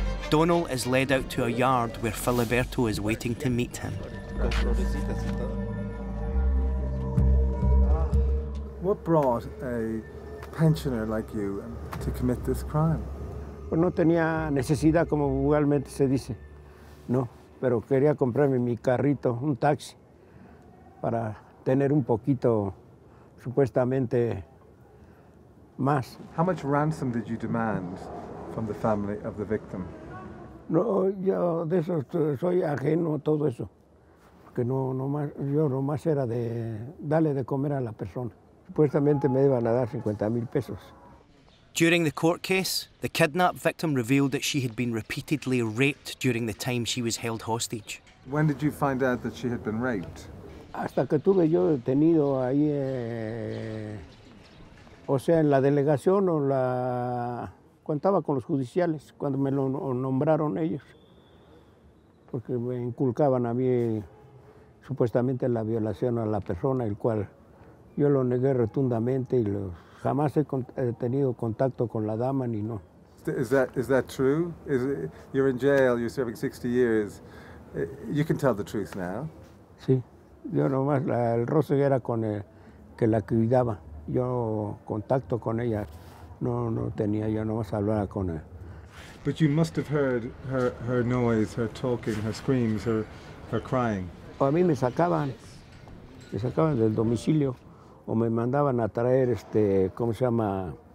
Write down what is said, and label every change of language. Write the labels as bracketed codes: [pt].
[en] Donal is led out to a yard where Filiberto is waiting to meet him. What brought a pensioner like you to commit this crime? [es] Well, no tenía necesidad, como vulgarmente se dice. No, pero quería comprarme mi carrito, un taxi, para tener un poquito, supuestamente, más. [en] How much ransom did you demand from the family of the victim? [es] No, yo de eso soy ajeno a todo eso. Porque no más, yo nomás era de darle de comer a la persona. Supuestamente me iban a dar 50,000 pesos. [en] During the court case, the kidnapped victim revealed that she had been repeatedly raped during the time she was held hostage. When did you find out that she had been raped? [es] Hasta que tuve yo detenido ahí, o sea, en la delegación o la... Contaba con los judiciales cuando me lo nombraron ellos, porque me inculcaban a mí supuestamente la violación a la persona, el cual yo lo negué rotundamente y lo, jamás he tenido contacto con la dama ni no. [en] Is that true? You're in jail, you're serving 60 years. You can tell the truth now. [es] Sí. Yo nomás, el roce era con el que la cuidaba. Yo contacto con ella no tenía, yo nomás hablaba con ella. [en] But you must have heard her noise, her talking, her screams, her crying. [es] O a mí me sacaban del domicilio o me mandaban a traer ¿cómo se llama?